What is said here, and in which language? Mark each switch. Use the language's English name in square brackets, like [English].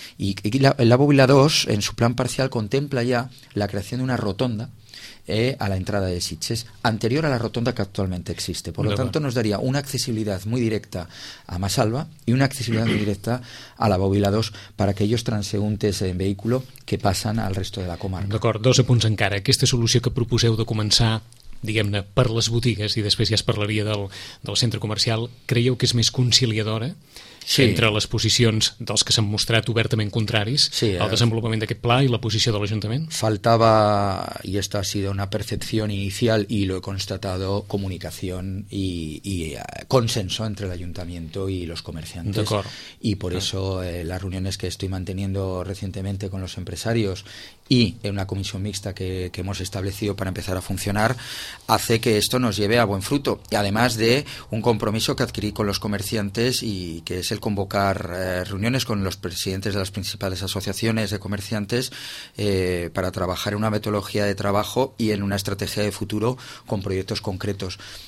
[Spanish] Y la Bóvila 2, en su plan parcial, contempla ya la creación de una rotonda a la entrada de Sitges, anterior a la rotonda que actualmente existe. Por lo tanto, nos daría una accesibilidad muy directa a Masalva y una accesibilidad muy directa a la Bóvila 2 para aquellos transeúntes en vehículo que passen al resto de la comarca. [Catalan] D'acord, dos apunts encara. Aquesta solució que proposeu de començar, diguem-ne, per les botigues, i després ja es parlaria del centre comercial, creieu que és més conciliadora? Sí. Entre les posicions dels que s'han mostrat obertament contraris, sí, al desenvolupament d'aquest pla i la posició de l'Ajuntament? [Spanish] Faltava, i esta ha sido una percepción inicial y lo he constatado, comunicación y consenso entre el Ayuntamiento y los comerciantes. [Catalan] D'acord. [Spanish] Y por eso las reuniones que estoy manteniendo recientemente con los empresarios y en una comisión mixta que hemos establecido para empezar a funcionar hace que esto nos lleve a buen fruto, y además de un compromiso que adquirí con los comerciantes y que es el convocar reuniones con los presidentes de las principales asociaciones de comerciantes para trabajar en una metodología de trabajo y en una estrategia de futuro con proyectos concretos.